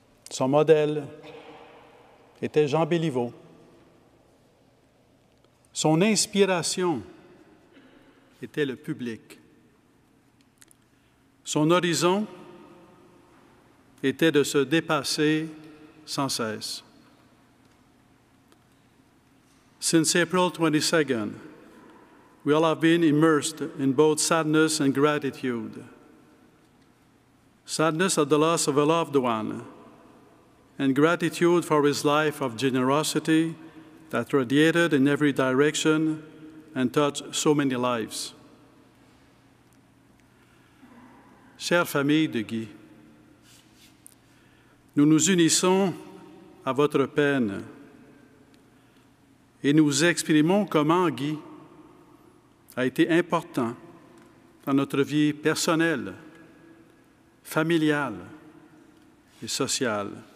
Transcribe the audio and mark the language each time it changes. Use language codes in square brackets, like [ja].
[fr] Son modèle était Jean Béliveau. Son inspiration était le public. Son horizon était de se dépasser sans cesse. [en] Since April 22nd, we all have been immersed in both sadness and gratitude. Sadness at the loss of a loved one, and gratitude for his life of generosity that radiated in every direction and touched so many lives. [fr] Chère famille de Guy, nous nous unissons à votre peine et nous exprimons comment Guy a été important dans notre vie personnelle, familiale et sociale.